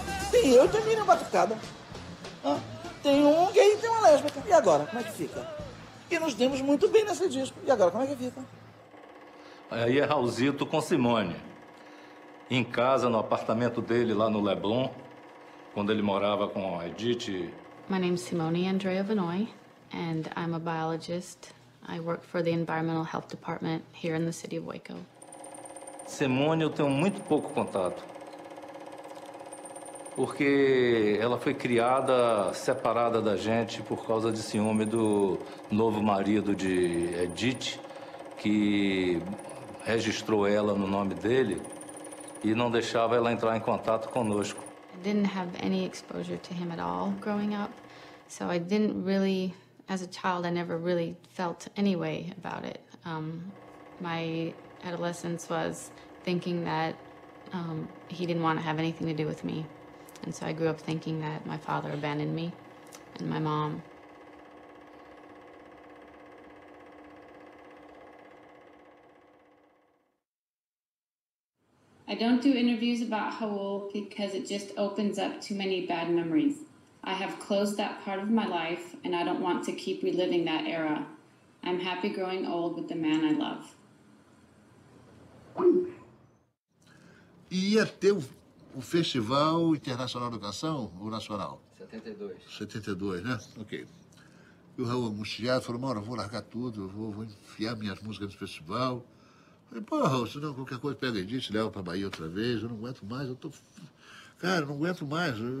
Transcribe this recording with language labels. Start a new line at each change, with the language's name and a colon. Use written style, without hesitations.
Portuguese: Tem eu e tem Miriam Batucada. Tem um gay e tem uma lésbica. E agora, como é que fica? E nos demos muito bem nesse disco. E agora, como é que fica? Aí é Raulzito com Simone. Em casa, no apartamento dele lá no Leblon, quando ele morava com a Edith.
English: My name is Simone Andrea Vinoy, and I'm a biologist. I work for the Environmental Health Department here in the city of Waco.
Portuguese: Simone, eu tenho muito pouco contato, porque ela foi criada separada da gente por causa de ciúme do novo marido de Edith, que registrou ela no nome dele e não deixava ela entrar em contato conosco.
English: I didn't have any exposure to him at all growing up. So I didn't really, as a child, I never really felt any way about it. My adolescence was thinking that he didn't want to have anything to do with me. And so I grew up thinking that my father abandoned me and my mom. I don't do interviews about Raul because it just opens up too many bad memories. I have closed that part of my life and I don't want to keep reliving that era. I'm happy growing old with the man I love.
Portuguese: Ia ter o Festival Internacional da Canção ou Nacional? 72. 72, né? Ok. E o Raul angustiado falou, Mauro, eu vou largar tudo, eu vou enfiar minhas músicas no festival. Falei, porra, se não qualquer coisa, pega a Edith, leva pra Bahia outra vez, eu não aguento mais, eu tô... Cara, eu não aguento mais.